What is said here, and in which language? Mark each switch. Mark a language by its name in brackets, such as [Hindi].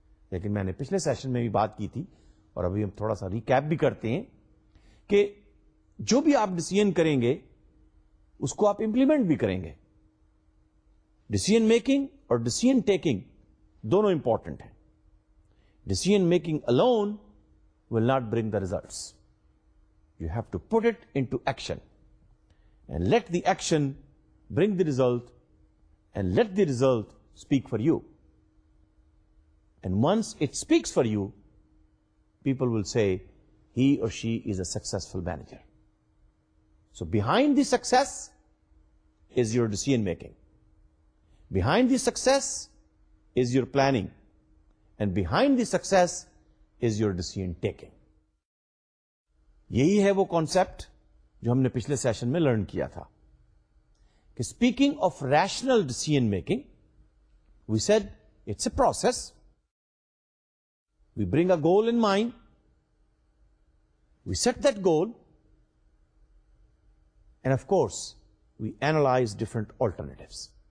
[Urdu] لیکن میں نے پچھلے سیشن میں بھی بات کی تھی اور ابھی ہم تھوڑا سا ریکیپ بھی کرتے ہیں کہ جو بھی آپ ڈیسیژن کریں گے اس کو آپ امپلیمنٹ بھی کریں گے. ڈیسیژن میکنگ اور ڈیسیژن ٹیکنگ دونوں امپورٹنٹ ہیں. [English] Decision making alone will not bring the results. You have to put it into action and let the action bring the result and let the result speak for you. And once it speaks for you, people will say he or she is a successful manager. So behind the success is your decision making. Behind the success is your planning. And behind the success is your decision taking. [Urdu] یہی ہے وہ concept جو ہم نے پچھلے session میں learn کیا تھا. [English] Speaking of rational decision making, we said it's a process. We bring a goal in mind. We set that goal. And of course, we analyze different alternatives.